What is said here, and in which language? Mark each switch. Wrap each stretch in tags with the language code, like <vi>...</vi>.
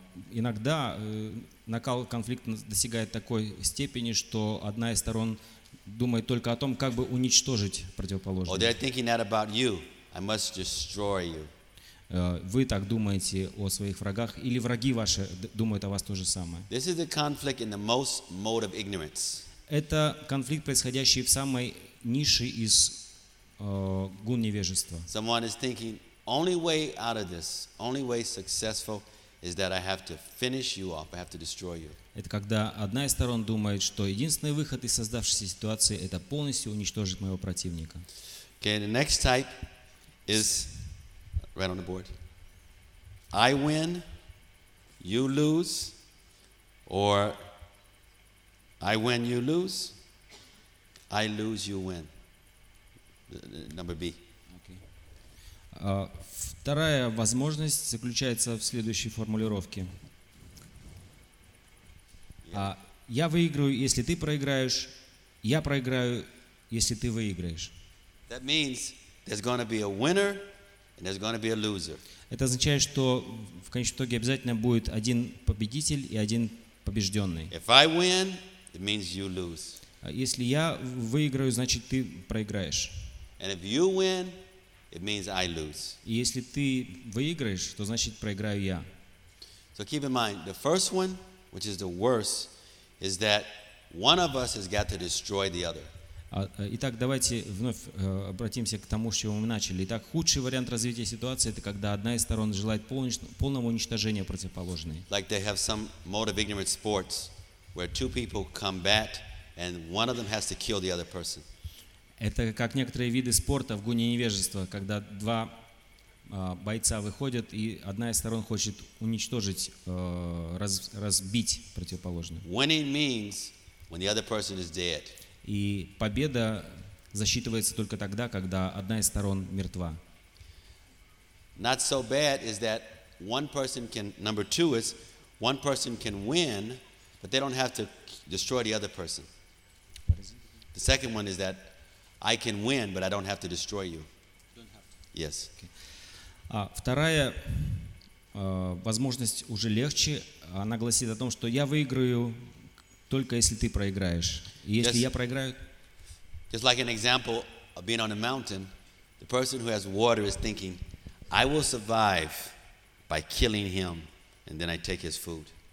<ru>Иногда накал конфликта достигает такой степени, что одна из сторон думает только о том, как бы уничтожить противоположного.</ru> <en>Or they're thinking that about you. I must destroy you.</en> <ru>Вы так думаете о своих врагах, или враги ваши думают о вас то же самое.</ru> <en>This is a conflict in the most mode of ignorance.</en> <ru>Это конфликт, происходящий в самой нише из гун невежества.</ru> <en>Someone is thinking, only way out of this, only way successful is that I have to finish you off, I have to destroy you.</en> <ru>Это когда одна из сторон думает, что единственный выход из создавшейся ситуации это полностью уничтожить моего противника.</ru> <en>Okay, the next type is right on the board. I win, you lose, or I win, you lose, I lose, you win. Number B.</en> <ru>Вторая возможность заключается в следующей формулировке. Я выиграю, если ты проиграешь. Я проиграю, если ты выиграешь. Это означает, что в конечном итоге обязательно будет один победитель и один побежденный.</ru> <en>If I win, it means you lose.</en> <ru>Если я выиграю, значит ты проиграешь.</ru> <en>And if you win, it means I lose.</en> <ru>И если ты выиграешь, то значит проиграю я.</ru> <en>So keep in mind, the first one, which is the worst, is that one of us has got to destroy the other.</en> <ru>Итак, давайте вновь обратимся к тому, с чего мы начали. Итак, худший вариант развития ситуации — это когда одна из сторон желает полного уничтожения противоположной.</ru> <en>Like they have some mode of ignorant sports where two people combat and one of them has to kill the other person.</en> <ru>Это как некоторые виды спорта в гуне невежества, когда два бойца выходят, и одна из сторон хочет уничтожить, разбить противоположную.</ru> <en>Winning means when the other person is dead.</en> <ru>И победа засчитывается только тогда, когда одна из сторон мертва.</ru> <en>Not so bad is that one person can, number two is, one person can win, but they don't have to destroy the other person. The second one is that I can win, but I don't have to destroy you. Don't have to. Yes. Okay.</en> <ru>Вторая возможность уже легче. Она гласит о том, что я выиграю только если ты проиграешь. И если я проиграю...</ru> <en>Just like an example of being on a mountain, the person who has water is thinking, I will survive by killing him, and then I take his food.</en>